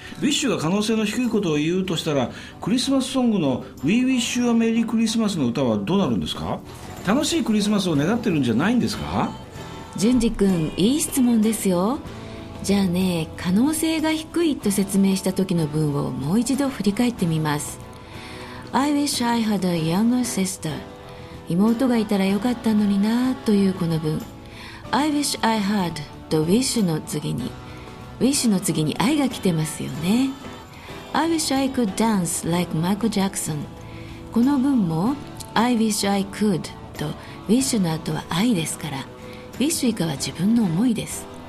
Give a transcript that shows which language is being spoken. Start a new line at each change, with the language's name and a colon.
Japanese: ウィッシュが可能性の低いことを言うとしたら、クリスマスソングの
English: We wish you a merry Christmas
Japanese: の歌はどうなるんですか？楽しいクリスマスを願ってるんじゃないんですか？淳二君、いい質問ですよ。じゃあね、可能性が低いと説明した時の文をもう一度振り返ってみます。
English: I wish I had a younger sister。
Japanese: 妹がいたらよかったのになというこの文、
English: I wish I had
Japanese: と wish の次に、ウィッシュの次に愛が来てますよね。
English: I wish I could dance like Michael Jackson。
Japanese: この文も
English: I wish I could
Japanese: とウィッシュの後は愛ですから、ウィッシュ以下は自分の思いです。